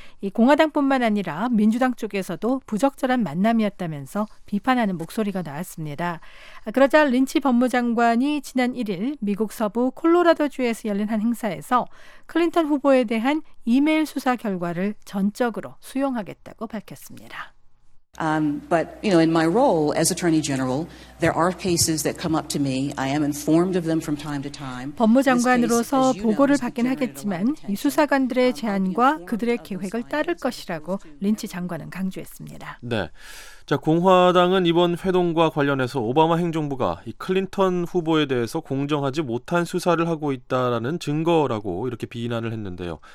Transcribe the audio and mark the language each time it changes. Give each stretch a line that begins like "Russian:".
Korean: 이 공화당뿐만 아니라 민주당 쪽에서도 부적절한 만남이었다면서 비판하는 목소리가 나왔습니다. 그러자 린치 법무장관이 지난 1일 미국 서부 콜로라도주에서 열린 한 행사에서 클린턴 후보에 대한 이메일 수사 결과를 전적으로 수용하겠다고 밝혔습니다.
English: But you know, in my role as Attorney General, there are cases that come up to me. I am informed of them from time to time.
Korean: 법무장관으로서 보고를 받긴 하겠지만 이 수사관들의 제안과 그들의 계획을 따를 것이라고 린치 장관은 강조했습니다. 네. 자, 공화당은 이번 회동과 관련해서 오바마 행정부가 이 클린턴 후보에 대해서 공정하지 못한 수사를 하고 있다라는 증거라고 이렇게 비난을 했는데요.